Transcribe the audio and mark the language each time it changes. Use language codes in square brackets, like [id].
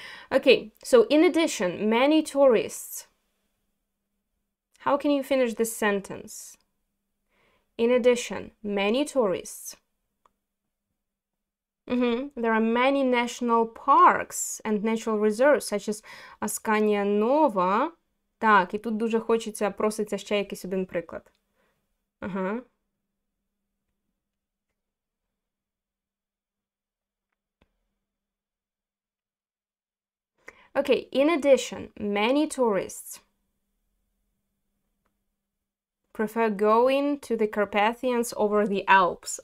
[en] Okay, so in addition, many tourists. How can you finish this sentence? In addition, many tourists. There are many national parks and natural reserves, such as Askania Nova. [uk] Так, і тут дуже хочеться, проситься ще якийсь один приклад. [en] Okay, in addition, many tourists prefer going to the Carpathians over the Alps.